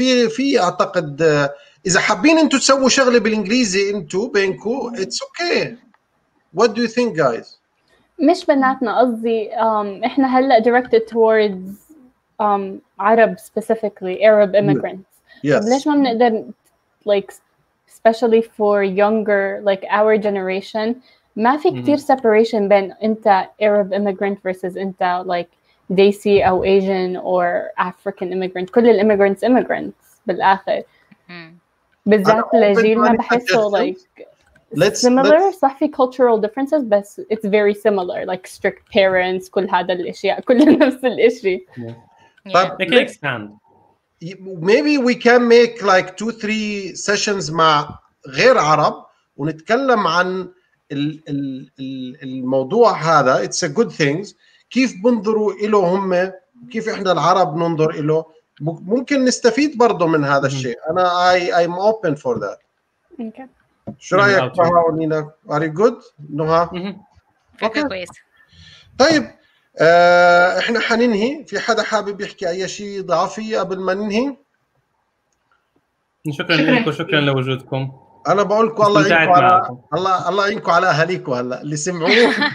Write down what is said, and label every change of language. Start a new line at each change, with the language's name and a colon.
Arabic: في أعتقد إذا حابين أنتوا تسووا شغلة بالإنجليزي أنتوا بينكوا
English: it's okay. What do you think guys؟
Arabic: مش بناتنا، قصدي إحنا هلأ directed towards عرب specifically Arab immigrants.
English: Yes.
Arabic: ليش ما بنقدر like especially for younger like our generation ما في كتير separation بين أنت Arab immigrant versus أنت like Desi أو Asian or African immigrant. كل ال immigrants immigrants بالآخر. بالذات الجيل ما بحسه like similar. صح في cultural differences بس
English: it's very similar like strict parents
Arabic: كل هذا الأشياء كل نفس الأشياء.
English: Yeah. But they can expand. Maybe we can make like 2-3 sessions
Arabic: مع غير عرب ونتكلم عن ال الموضوع هذا.
English: It's a good things.
Arabic: كيف بنظروا إلو هم، كيف إحنا العرب ننظر إلو، ممكن نستفيد برضو من هذا الشيء.
English: أنا I'm open for that. Okay.
Arabic: شو رأيك بها ونينا؟
English: Are you good؟
Arabic: نها؟
English: Okay.
Arabic: طيب احنا حننهي. في حدا حابب يحكي اي شيء اضافي قبل ما ننهي؟ شكرا لكم، شكرا لوجودكم. انا بقول لكم الله يعينكم على الله، الله يعينكم على اهاليكم هلا اللي سمعوه.